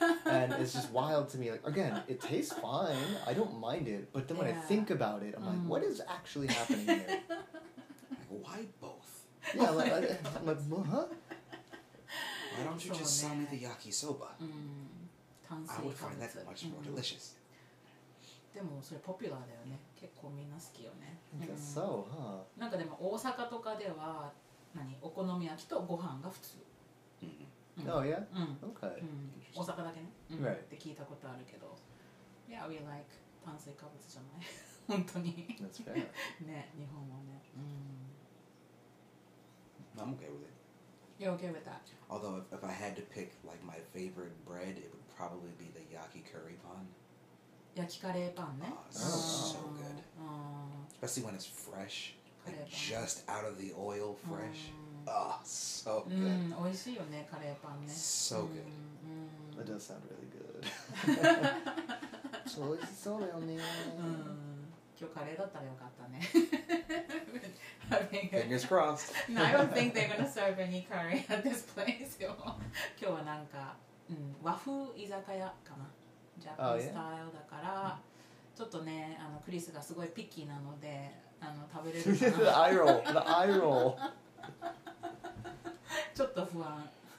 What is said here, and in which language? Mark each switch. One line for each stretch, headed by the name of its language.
English: And it's just wild to me. Like, again, it tastes fine. I don't mind it. But then when yeah. I think about it, I'm like, what is actually happening here? Like, why both? Yeah, like, why don't you just sell me the yakisoba? Mm-hmm. I would find that much more delicious.
Japanese: でもそれポピュラーだよね。結構みんな好きよね。そう、huh? なんかでも大阪とかでは何お好み焼きとご飯が普通。
English: Mm-hmm. Oh yeah. Okay.
Japanese: 大阪だけね。
English: Right.
Japanese: って聞いたことあるけど。
English: Yeah, we like
Japanese: 炭水化物じゃない。本当に。
English: That's fair.
Japanese: ね、日本はね。
English: I'm okay with it. You're okay with that? Although, if I had to pick, like, my favorite bread, it would probably be the yaki curry pan. Yaki curry pan, ne? So good. Especially when it's fresh. Like, just out of the oil, fresh. So good.
Japanese: Oishii yo ne, curry pan, ne?
English: So good. That does sound really good. So
Japanese: oishii so da yo ne. Kyou curry datta ra yokatta ne.
English: Fingers crossed. No, I don't think they're gonna serve any curry at this place.
Japanese: 今日はなんか、和風居酒屋かな、ジャパンスタイルだから、ちょっとね、あのクリスがすごいピッキーなので、あの食べれるかな。
English: The eye roll. The eye roll.
Japanese: ちょっと不安。